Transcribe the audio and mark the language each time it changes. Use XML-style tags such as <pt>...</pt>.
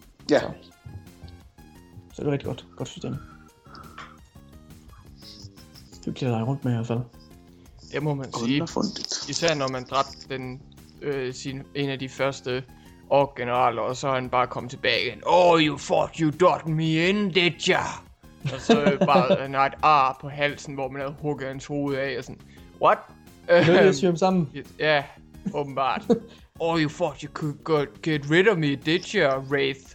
<da>Ja. Så det var rigtig godt. Godt system. Hyggeligt at lege rundt med i hvert fald. Det må man sige. Især når man dræbte en af de første ork-generaler, og så han bare kom tilbage igen.</da> <en>Oh, you thought you got me in, did ya?</en> <da>Og så bare han har et ar på halsen, hvor man havde hugget hans hoved af, og sådan,</da> <en>what?</en> <da>Nødvendig at syge ham sammen. Ja, åbenbart.</da> <en>Oh, you thought you could get rid of me, did ya, Wraith?</en>